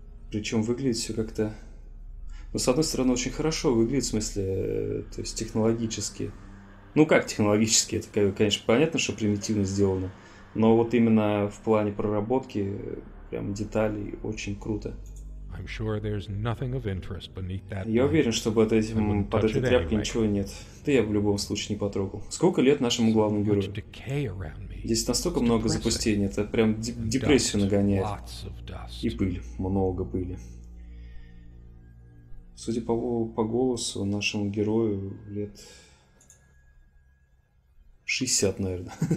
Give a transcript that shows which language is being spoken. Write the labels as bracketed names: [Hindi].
[Russian] Причем выглядит все как-то... Ну, с одной стороны, очень хорошо выглядит, в смысле, то есть технологически. Ну, как технологически, это, конечно, понятно, что примитивно сделано. Но вот именно в плане проработки, прям деталей, очень круто. [English] I'm sure there's nothing of interest beneath that. [Russian] Я уверен, что под этой тряпкой ничего нет. Да я в любом случае не потрогал. Сколько лет нашему главному герою? Здесь настолько много запустений, это прям депрессию нагоняет. И пыль, много пыли. Судя по голосу, нашему герою лет 60, наверное.